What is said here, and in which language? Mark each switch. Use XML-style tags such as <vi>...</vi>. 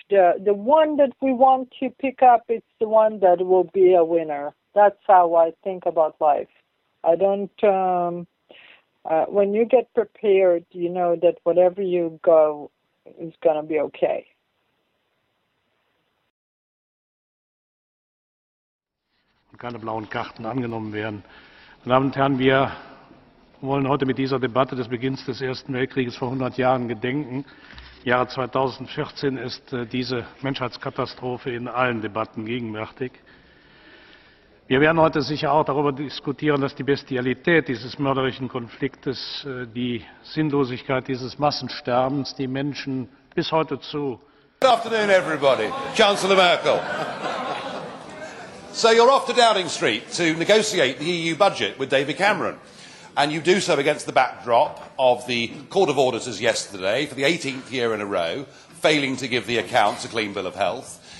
<en>The one that we want to pick up is the one that will be a winner. That's how I think about life. I don't. When you get prepared, you know that whatever you go is gonna be okay.</en> <de>Keine blauen Karten angenommen werden. Meine Damen und Herren, wir wollen heute mit dieser Debatte des Beginns des Ersten Weltkrieges vor 100 Jahren gedenken. Im Jahre 2014 ist diese Menschheitskatastrophe in allen Debatten gegenwärtig. Wir werden heute sicher auch darüber diskutieren, dass die Bestialität dieses mörderischen Konfliktes, die Sinnlosigkeit dieses Massensterbens, die Menschen bis heute zu...</de> <en>Good afternoon, everybody. Chancellor Merkel. So you're off to Downing Street to negotiate the EU budget with David Cameron. And you do so against the backdrop of the Court of Auditors yesterday, for the 18th year in a row, failing to give the accounts a clean bill of health.</en>